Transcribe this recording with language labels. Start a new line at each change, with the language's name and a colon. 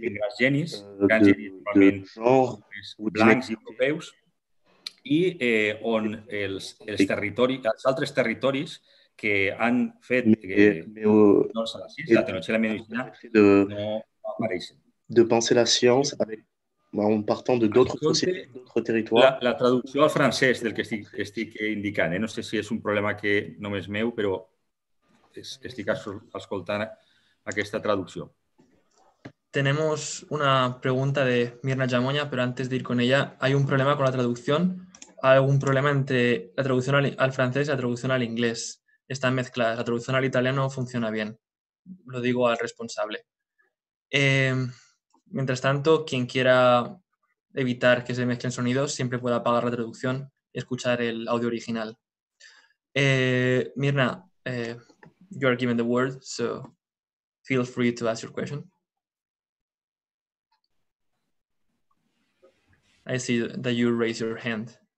Catalan: en grans genis normalment blancs i europeus i on els territoris, els altres territoris que han fet la tecnologia i la medicina no apareixen. De pensar la ciència
French: en partant
Catalan: d'altres territoris. La traducció al francès del que estic indicant, no sé si és un problema que només meu, però estic escoltant aquesta traducció.
Spanish: Tenemos una pregunta de Mirna Jamoña, però antes de ir con ella, ¿hay un problema con la traducción? ¿Hay algún problema entre la traducción al francès y la traducción al inglés? Están mezcladas. La traducción al italiano funciona bien. Lo digo al responsable. Mientras tanto, quien quiera evitar que se mezclen sonidos, siempre puede apagar la traducción y escuchar el audio original.
English: Mirna, you are given the word, so feel free to ask your question. I see that you raise your hand.